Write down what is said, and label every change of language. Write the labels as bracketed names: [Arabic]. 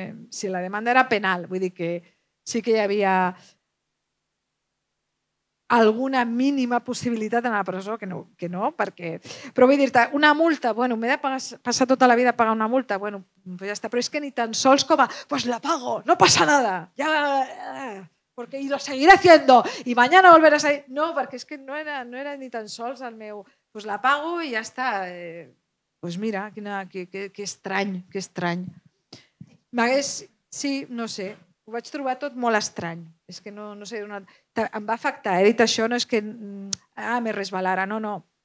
[Catalan] Si la demanda era penal, vull dir que sí que hi havia alguna mínima possibilitat d'anar a la presó, que no, perquè... Però vull dir-te, una multa, bueno, m'he de passar tota la vida a pagar una multa, bueno, pues ja està, però és que ni tan sols com a... [Spanish] Pues la pago, no passa nada, ja... Porque lo seguiré haciendo, y mañana volverás a... [Catalan] No, perquè és que no era ni tan sols el meu... Pues la pago i ja està. Pues mira, que estrany. M'hagués... Sí, no sé, ho vaig trobar tot molt estrany. És que no sé... Em va afectar, he dit això, no és que [Spanish] me resbalara, [Catalan] no.